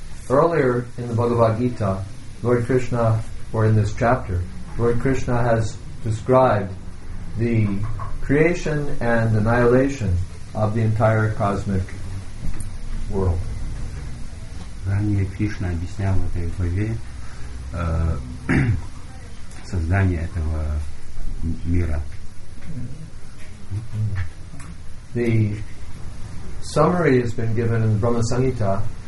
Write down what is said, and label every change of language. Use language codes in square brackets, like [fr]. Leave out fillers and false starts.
[en] Earlier in the Bhagavad Gita, Lord Krishna, or in this chapter, Lord Krishna has described the creation and annihilation of the entire cosmic world. [ru] Ранее Кришна объяснял в этой главе создание этого мира. [en] The summary has been given in Brahma Sanhita.